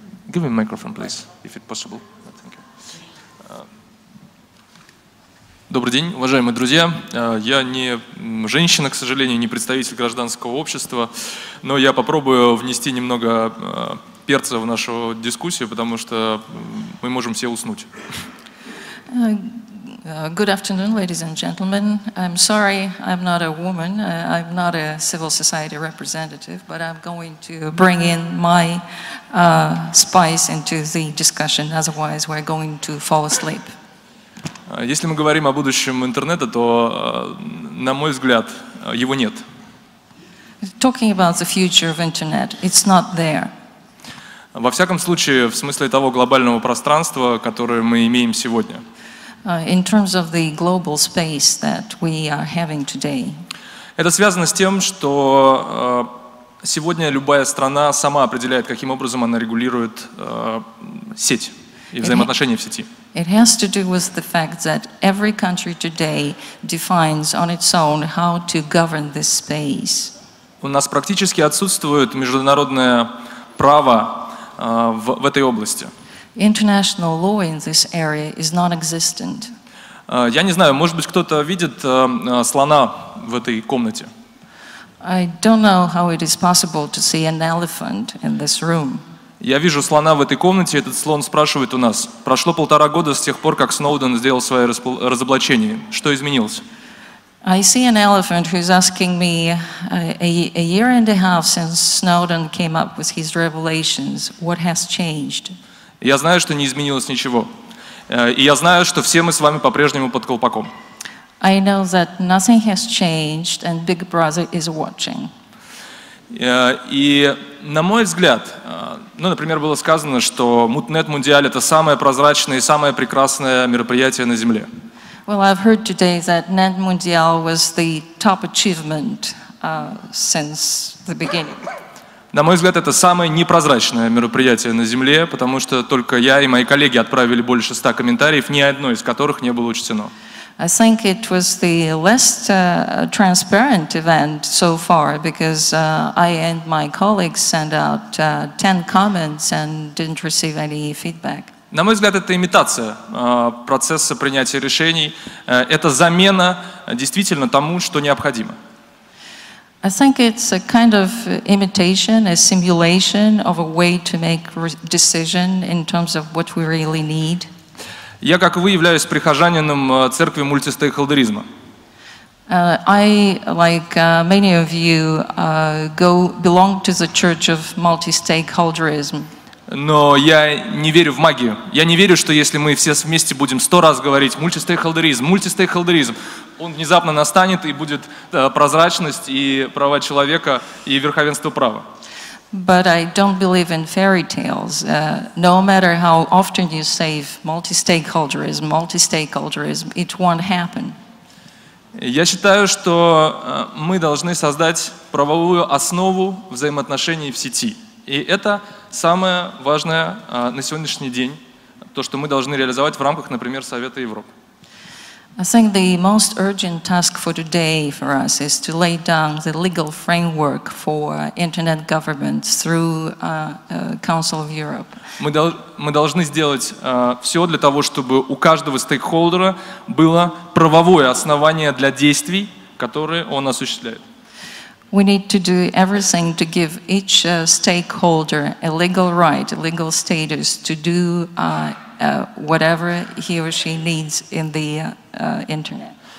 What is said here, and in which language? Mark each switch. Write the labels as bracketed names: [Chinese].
[English] Give me a microphone, please, if it's possible. [Russian] Добрый день, уважаемые друзья. Я не женщина, к сожалению, не представитель гражданского общества, но я попробую внести немного перца в нашу дискуссию, потому что мы можем все уснуть. [English] Good afternoon, ladies and gentlemen. I'm sorry I'm not a woman, I'm not a civil society representative, but I'm going to bring in my spice into the discussion, otherwise we're going to fall asleep. [Russian] Если мы говорим о будущем интернета, то, на мой взгляд, его нет. [English] Talking about the future of internet, it's not there. [Russian] Во всяком случае, в смысле того глобального пространства, которое мы имеем сегодня. [English] In terms of the global space that we are having today. [Russian] Это связано с тем, что сегодня любая страна сама определяет, каким образом она регулирует сеть. И взаимоотношения в сети. [English] It has to do with the fact that every country today defines on its own how to govern this space. [Russian] У нас практически отсутствует международное право в этой области. [English] International law in this area is non-existent. [Russian] Я не знаю, может быть, кто-то видит слона в этой комнате. [English] I don't know how it is possible to see an elephant in this room. [Russian] Я вижу слона в этой комнате, этот слон спрашивает у нас. Прошло полтора года с тех пор, как Сноуден сделал свое разоблачение. Что изменилось? [English] I see an elephant who's asking me a year and a half since Snowden came up with his revelations. What has changed? [Russian] Я знаю, что не изменилось ничего. И я знаю, что все мы с вами по-прежнему под колпаком. [English] I know that nothing has changed and Big Brother is watching. [Russian] И на мой взгляд, ну, например, было сказано, что Мутнет Мундиаль — это самое прозрачное и самое прекрасное мероприятие на Земле. [English] Well, I've heard today that Net Mundial was the top achievement since the beginning. [Russian] На мой взгляд, это самое непрозрачное мероприятие на Земле, потому что только я и мои коллеги отправили больше 100 комментариев, ни одно из которых не было учтено. [English] I think it was the least transparent event so far, because I and my colleagues sent out 10 comments and didn't receive any feedback. [Russian] На мой взгляд, это имитация процесса принятия решений. Это замена действительно тому, что необходимо. [English] I think it's a kind of imitation, a simulation of a way to make decision in terms of what we really need. [Russian] Я, как вы, являюсь прихожанином церкви мультистейкхолдеризма. [English] I, like many of you, belong to the church of multi-stakeholderism. [Russian] Но я не верю в магию. Я не верю, что если мы все вместе будем 100 раз говорить мультистейкхолдеризм, он внезапно настанет и будет прозрачность и права человека и верховенство права. [English] But I don't believe in fairy tales. No matter how often you say multi-stakeholderism, it won't happen. [Russian] Я считаю, что мы должны создать правовую основу взаимоотношений в сети. И это самое важное на сегодняшний день, то, что мы должны реализовать в рамках, например, Совета Европы. [English] I think the most urgent task for today for us is to lay down the legal framework for internet governance through Council of Europe. [Russian] Мы должны сделать все для того, чтобы у каждого стейкхолдера было правовое основание для действий, которые он осуществляет. [English] We need to do everything to give each stakeholder a legal right, a legal status to do whatever he or she needs in the internet.